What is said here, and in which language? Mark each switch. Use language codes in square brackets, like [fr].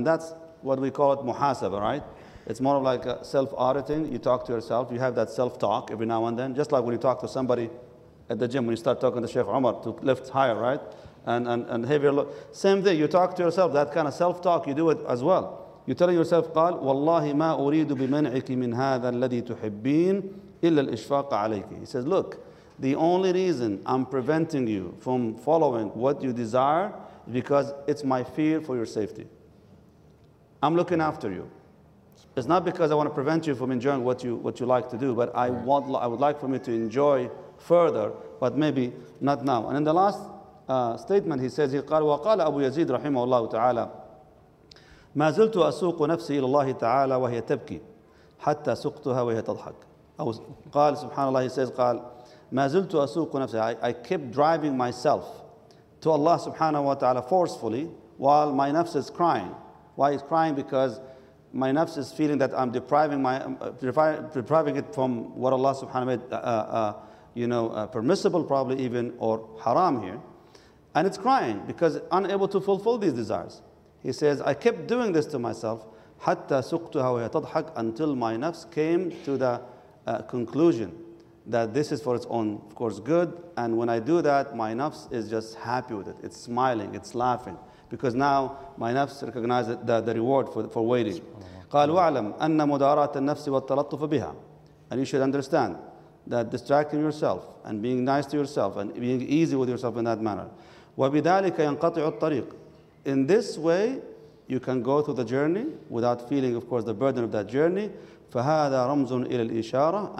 [en] And that's what we call it, muhasaba, right? It's more of like self-auditing. You talk to yourself. You have that self-talk every now and then. Just like when you talk to somebody at the gym, when you start talking to Sheikh Omar to lift higher, right? And heavier load. Same thing. You talk to yourself. That kind of self-talk, you do it as well. You're telling yourself, [ar] قال والله ما أريد بمنعك من هذا الذي تحبين إلا الإشفاق عليك. [en] He says, look, the only reason I'm preventing you from following what you desire is because it's my fear for your safety. I'm looking after you. It's not because I want to prevent you from enjoying what you like to do, but I would like for me to enjoy further, but maybe not now. And in the last statement, he says, [ar] قال وقال أبو يزيد رحمه الله تعالى ما زلت أسوق نفسي إلى الله تعالى وهي تبكي حتى سقتها وهي تضحك. أو قال سبحان الله, [en] he says, [ar] قال ما زلت أسوق نفسي. [en] I keep driving myself to Allah subhanahu wa ta'ala forcefully while my nafs is crying. Why is crying? Because my nafs is feeling that I'm depriving it from what Allah subhanahu wa ta'ala made, permissible probably even, or haram here. And it's crying because it's unable to fulfill these desires. He says, I kept doing this to myself until my nafs came to the conclusion that this is for its own, of course, good. And when I do that, my nafs is just happy with it. It's smiling, it's laughing. Because now my nafs recognizes the reward for waiting. [ar] قال وعلم أن مدارة النفس والتلطف بها. [en] And you should understand that distracting yourself and being nice to yourself and being easy with yourself in that manner. [ar] وبذلك ينقطع الطريق. [en] In this way, you can go through the journey without feeling, of course, the burden of that journey. [ar] فهذا رمز إلى الإشارة.